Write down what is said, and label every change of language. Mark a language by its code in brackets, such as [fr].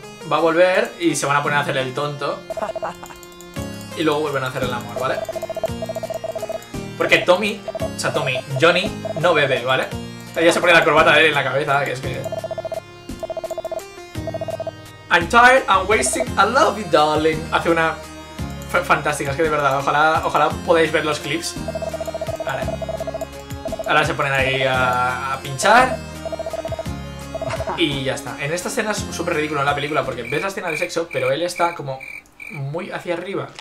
[es] Va a volver y se van a poner a hacer el tonto. Y luego vuelven a hacer el amor, ¿vale? Porque Tommy, o sea, Tommy, Johnny, no bebe, ¿vale? Ella se pone la corbata de él en la cabeza, que es que... [en] I'm tired, I'm wasting, I love you, darling. [es] Hace una... fantástica, es que de verdad, ojalá podáis ver los clips. Vale. Ahora se ponen ahí a pinchar. Y ya está. En esta escena es súper ridículo en la película porque ves la escena de sexo, pero él está como... muy hacia arriba.